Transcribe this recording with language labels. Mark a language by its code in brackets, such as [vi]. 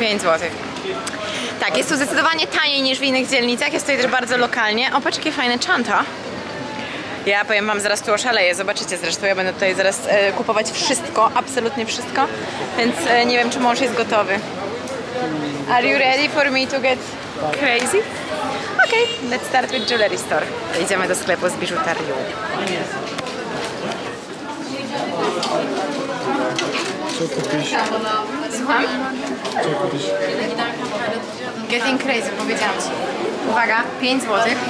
[pl] 5 zł. Tak, jest tu zdecydowanie taniej niż w innych dzielnicach, jest tutaj też bardzo lokalnie. O, patrz, jakie fajne czanta. Ja powiem wam, zaraz tu oszaleję, zobaczycie zresztą, ja będę tutaj zaraz kupować wszystko, absolutnie wszystko. Więc nie wiem, czy mąż jest gotowy. [en] Are you ready for me to get crazy? Okay, let's start with jewelry store. [pl] Idziemy do sklepu z biżuterią. Co kupisz? Słucham? Co kupisz? [en] Getting crazy, [pl] powiedziałam ci. Uwaga, 5 zł. 4,50.